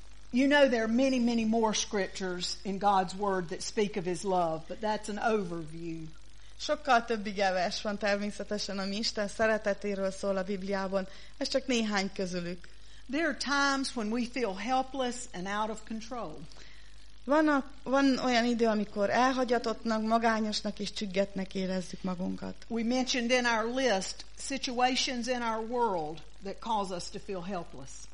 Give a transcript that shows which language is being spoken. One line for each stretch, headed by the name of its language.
English: You know there are many, many more scriptures in God's word that speak of his love, but that's an overview.
Hungarian: Sokkal több igevers van természetesen, ami Isten szeretetéről szól a Bibliában. Ez csak néhány közülük.
English: There are times when we feel helpless and out of control.
Hungarian: Van olyan idő, amikor elhagyatottnak, magányosnak és csüggetnek érezzük magunkat.
English: We mentioned in our list situations in our world that cause us to feel helpless.